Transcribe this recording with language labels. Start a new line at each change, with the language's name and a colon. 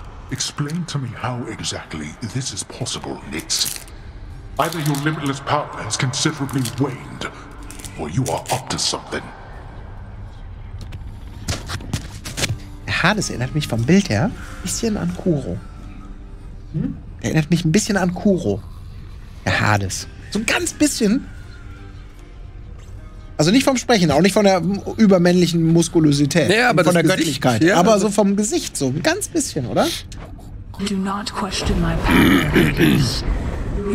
English: Explain to me how exactly this is possible, Nix. Either your limitless power has considerably waned, or you are up to something.
German: Hades erinnert mich vom Bild her ein bisschen an Kuro. Erinnert mich ein bisschen an Kuro. Der Hades. So ein ganz bisschen. Also nicht vom Sprechen, auch nicht von der übermännlichen Muskulosität. Ja, aber von der Gesicht, Göttlichkeit. Ja, aber so vom Gesicht, so ein ganz bisschen, oder?
English: Do not question my power.